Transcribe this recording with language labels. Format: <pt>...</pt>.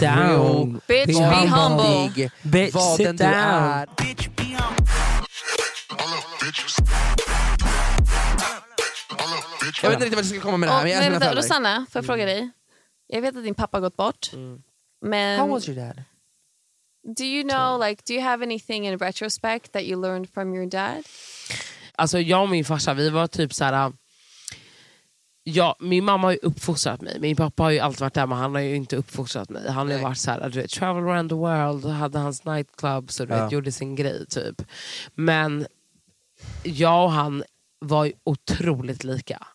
<en>Real. Bitch, be humble. Bitch, vad sit down. Bitch, be humble.</en> <sv>Jag vet inte riktigt vad du ska komma med det här. Men vänta, Rosanna, får jag fråga dig? Jag vet att din pappa gått bort. Men</sv> <en>how was your dad? Do you know, like, do you have anything in retrospect that you learned from your dad?</en> <sv>Alltså jag och min farsa, vi var typ så här. Ja, min mamma har ju uppfostrat mig. Min pappa har ju alltid varit där, men han har ju inte uppfostrat mig. Han har ju varit såhär, du vet,</sv> <en>travel around the world,</en> <sv>hade hans nightclub, så du vet, gjorde sin grej typ. Men jag och han var ju otroligt lika.</sv>